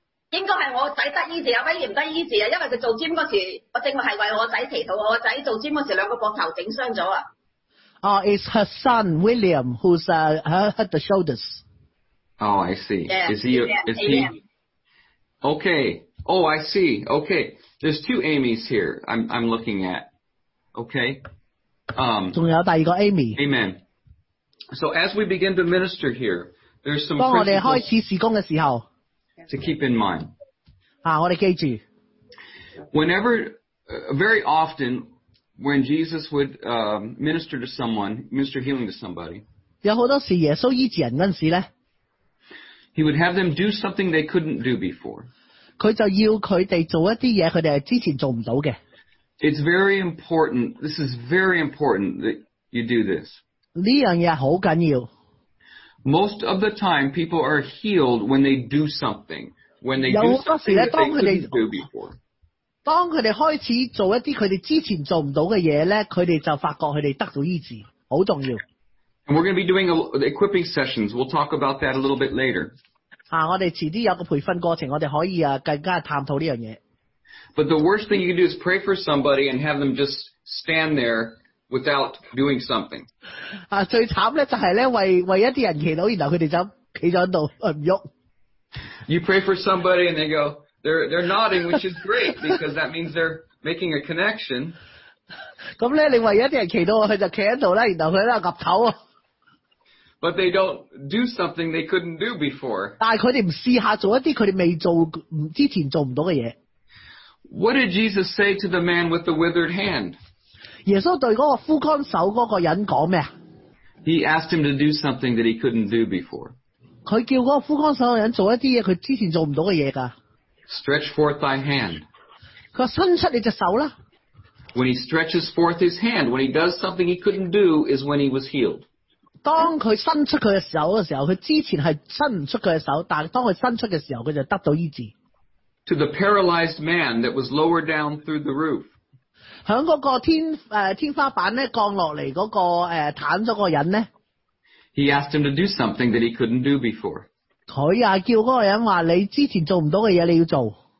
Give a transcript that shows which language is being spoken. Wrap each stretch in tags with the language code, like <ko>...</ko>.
<yue>应该系我仔得医治啊，威严得医治啊，因为佢做尖嗰时，我正系为我仔祈祷，我仔做尖嗰时两个膊头整伤咗啊。</yue> <en>Oh, it's her son William who's hurt the shoulders. Oh, I see. Yeah, is he? Okay. Oh, I see. Okay. There's two Amys here. I'm looking at. Okay.</en> <yue>仲有第二个 Amy.</yue> <en>Amen. So as we begin to minister here, there's some</en> <yue>principles. 当我哋开始事工嘅时候</yue> <en>，to keep in mind.</en> <yue>啊，我哋记住。</yue> <en>Whenever, very often, when Jesus would minister to someone, minister healing to somebody.</en> <yue>有好多时耶稣医治人嗰阵时咧</yue> <en>，He would have them do something they couldn't do before.</en> <yue>佢就要佢哋做一啲嘢，佢哋系之前做唔到嘅。</yue> <en>It's very important. This is very important that you do this.</en> <yue>呢样嘢好紧要。</yue> <en>Most of the time, people are healed when they do something. When they do something that they couldn't do before.</en> <yue>当佢哋开始做一啲佢哋之前做唔到嘅嘢咧，佢哋就发觉佢哋得到医治，好重要。</yue> <en>And we're going to be doing equipping sessions. We'll talk about that a little bit later.</en> <yue>啊，我哋迟啲有个培训过程，我哋可以啊更加探讨呢样嘢。</yue> <en>But the worst thing you can do is pray for somebody and have them just stand there without doing something.</en> <yue>最惨咧就系咧为一啲人祈祷，然后佢哋就企咗喺度唔喐。</yue> <en>You pray for somebody and they go, they're nodding, which is great because that means they're making a connection.</en> <yue>咁咧，你为一啲人祈祷，佢就企喺度啦，然后佢喺度岌头啊。</yue> <en>But they don't do something they couldn't do before.</en> <yue>但系佢哋唔试下做一啲佢哋未做之前做唔到嘅嘢。</yue> <en>What did Jesus say to the man with the withered hand?</en> <yue>耶稣对嗰个枯干手嗰个人讲咩？</yue> <en>He asked him to do something that he couldn't do before.</en> <yue>佢叫嗰个枯干手嘅人做一啲嘢，佢之前做唔到嘅嘢噶。</yue> <en>Stretch forth thy hand.</en> <yue>佢话伸出你只手啦。</yue> <en>When he stretches forth his hand, when he does something he couldn't do, is when he was healed.</en> <yue>当佢伸出佢嘅手嘅时候，佢之前系伸唔出佢嘅手，但系当佢伸出嘅时候，佢就得到医治。</yue> <en>To the paralyzed man that was lowered down through the roof.</en> <yue>响嗰个天花板咧降落嚟嗰个瘫咗个人咧。</yue> <en>He asked him to do something that he couldn't do before.</en> <yue>佢啊叫嗰个人话你之前做唔到嘅嘢你要做。</yue>